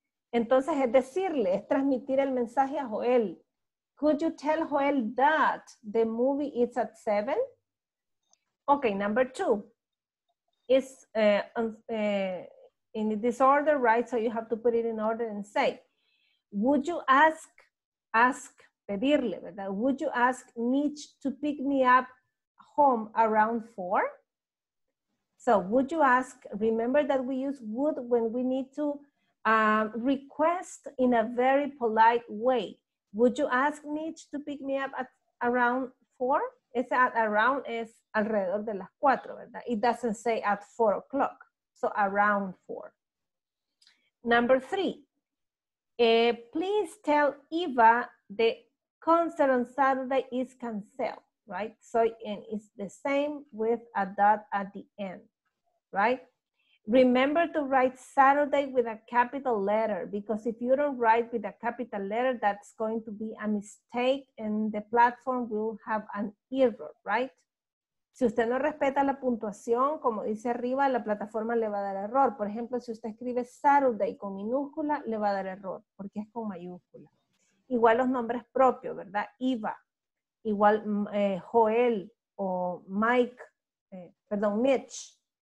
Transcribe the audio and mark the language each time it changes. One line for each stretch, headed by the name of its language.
Spanish: Entonces es decirle, es transmitir el mensaje a Joel.
English: Could you tell Joel that the movie is at 7? Okay, number 2. It's in this order, right? So you have to put it in order and say, would you ask,
Spanish: pedirle, ¿verdad?
English: Would you ask Mitch to pick me up home around 4? So would you ask, remember that we use would when we need to request in a very polite way. Would you ask Mitch to pick me up at around 4?
Spanish: Ese at around es alrededor de las 4, ¿verdad?
English: It doesn't say at 4 o'clock. So around 4. Number 3. Please tell Eva the concert on Saturday is canceled, right? So and it's the same with a dot at the end, right? Remember to write Saturday with a capital letter, because if you don't write with a capital letter, that's going to be a mistake and the platform will have an error, right?
Spanish: Si usted no respeta la puntuación, como dice arriba, la plataforma le va a dar error. Por ejemplo, si usted escribe Saturday con minúscula, le va a dar error, porque es con mayúscula. Igual los nombres propios, ¿verdad? Eva, igual Joel o Mike, perdón, Mitch.